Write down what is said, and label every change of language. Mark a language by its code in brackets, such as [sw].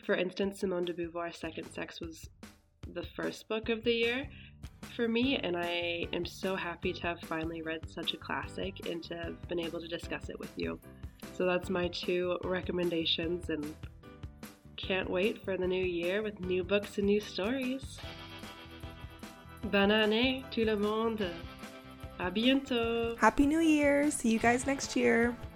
[en] For instance, Simone de Beauvoir's Second Sex was the first book of the year for me, and I am so happy to have finally read such a classic and to have been able to discuss it with you. So that's my two recommendations, and can't wait for the new year with new books and new stories. [fr] Bonne année, tout le monde! À bientôt! [en] Happy New Year! See you guys next year!